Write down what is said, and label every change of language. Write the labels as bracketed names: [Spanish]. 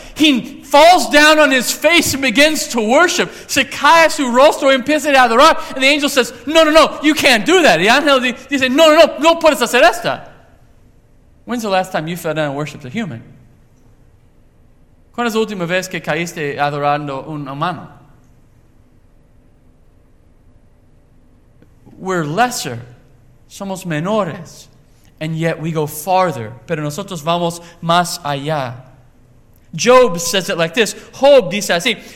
[English] He falls down on his face and begins to worship. [Spanish] Se cae su rostro y empieza a adorar. [English] And the angel says, no, no, no, you can't do that. The angel [Spanish] dice, no, no, no, no puedes hacer esto. [English] When's the last time you fell down and worshiped a human? [Spanish] ¿Cuándo es la última vez que caíste adorando un humano? [English] We're lesser. [Spanish] Somos menores. [English] And yet we go farther. [Spanish] Pero nosotros vamos más allá. [English] Job says it like this. [Spanish] Job dice así.